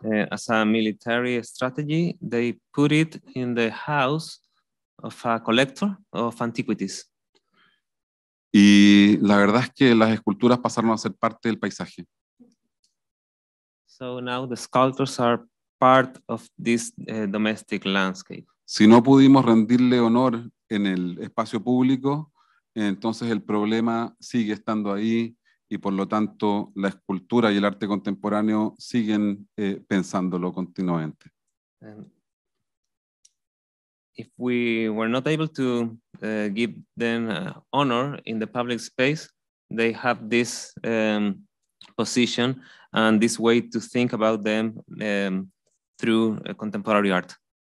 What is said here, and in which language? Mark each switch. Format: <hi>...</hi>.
<en>As a military strategy, they put it in the house of a collector of antiquities.</en> <es>Y la verdad es que las esculturas pasaron a ser parte del paisaje.</es> <en>So now the sculptures are part of this domestic landscape.</en> <es>Si no pudimos rendirle honor en el espacio público, entonces el problema sigue estando ahí y por lo tanto la escultura y el arte contemporáneo siguen pensándolo continuamente.</es> <en>If we were not able to give them honor in the public space, they have this position and this way to think about them through contemporary art.</en>